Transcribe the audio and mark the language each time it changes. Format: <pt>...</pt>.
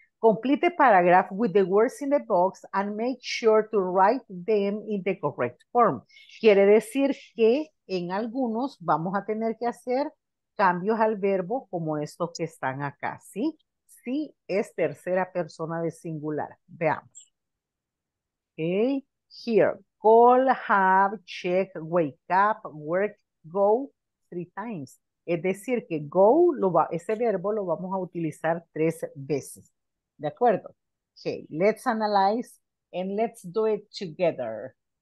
<en>Complete the paragraph with the words in the box and make sure to write them in the correct form.</en> <es>Quiere decir que en algunos vamos a tener que hacer cambios al verbo como estos que están acá, ¿sí? Sí, es tercera persona de singular. Veamos.</es> <en>Okay, here, call, have, check, wake up, work, go, 3 times.</en> <es>Es decir, que go, ese verbo lo vamos a utilizar 3 veces. ¿De acuerdo?</es> <en>Okay, let's analyze and let's do it together.</en>